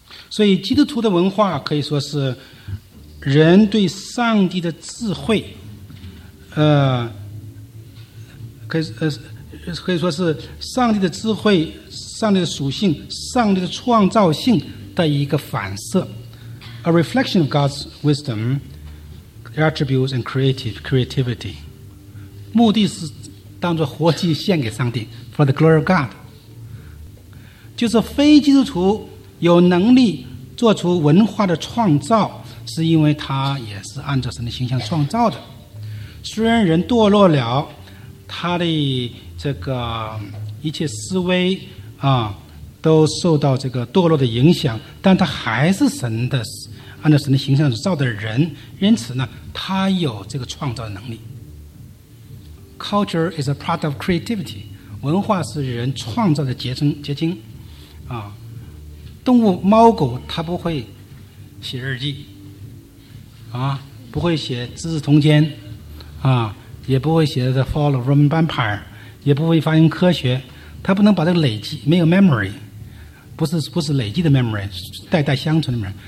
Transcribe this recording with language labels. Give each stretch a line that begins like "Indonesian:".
Chinese: 所以基督徒的文化可以说是人对上帝的智慧，可以说是上帝的智慧、上帝的属性、上帝的创造性的一个反射。
English: A reflection of God's wisdom, attributes and creativity.
Chinese: 目的是当作活祭献给上帝，
English: for the glory of God.
Chinese: 就是非基督徒有能力做出文化的创造，是因为他也是按照神的形象创造的。虽然人堕落了，他的这个一切思维都受到这个堕落的影响，但他还是神的，按照神的形象造的人，因此呢他有这个创造的能力。
English: Culture is a product of creativity.
Chinese: 文化是人创造的结晶啊。动物猫狗它不会写日记啊，不会写资治通鉴啊，也不会写 The Fall of Roman Empire， 也不会发明科学，它不能把这个累积，没有 memory， 不是累积的 memory， 代代相传的 memory。